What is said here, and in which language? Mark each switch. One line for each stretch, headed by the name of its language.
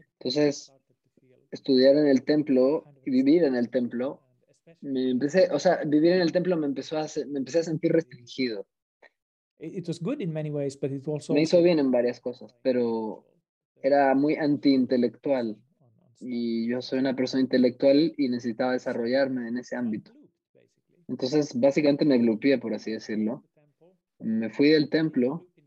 Spanish: Entonces, estudiar en el templo y vivir en el templo, vivir en el templo me empezó a sentir restringido.
English: It was good in many ways, but it also
Spanish: me hizo bien en varias cosas, pero era muy anti-intelectual y yo soy una persona intelectual y necesitaba desarrollarme en ese ámbito. Entonces, básicamente me glupié, por así decirlo. Me fui del templo.